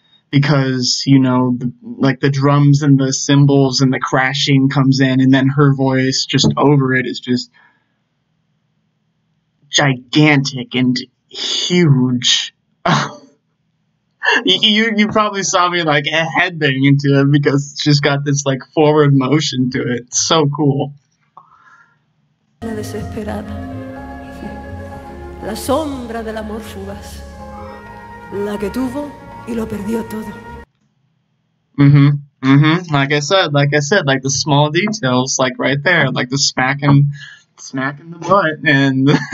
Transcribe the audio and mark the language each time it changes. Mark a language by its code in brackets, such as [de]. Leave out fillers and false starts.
[en] Because, you know, like the drums and the cymbals and the crashing comes in, and then her voice just over it is just gigantic and huge. You probably saw me like headbanging into it because it's just got this like forward motion to it. It's so cool. [es] Desesperada, la sombra de la amor fugaz, la que tuvo y lo perdió todo. [en] Like I said, like the small details, like right there, like the smacking the butt, and